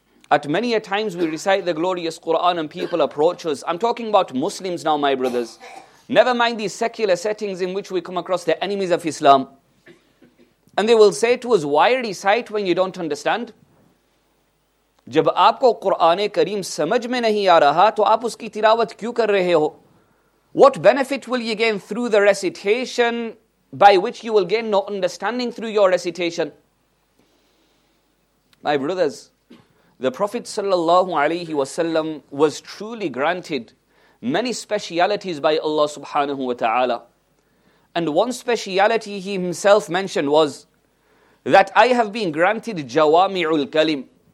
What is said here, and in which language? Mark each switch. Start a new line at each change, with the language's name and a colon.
English: At many a times we recite the glorious Qur'an and people approach us. I'm talking about Muslims now, my brothers. Never mind these secular settings in which we come across the enemies of Islam. And they will say to us, why recite when you don't understand?
Urdu: جب آپ کو قرآن کریم سمجھ میں نہیں آ رہا تو آپ اس کی تلاوت کیوں کر رہے ہو؟
English: What benefit will you gain through the recitation by which you will gain no understanding through your recitation? My brothers, the Prophet sallallahu alayhi wasallam was truly granted many specialities by Allah subhanahu wa ta'ala. And one speciality he himself mentioned was that I have been granted Jawami'ul Kalim.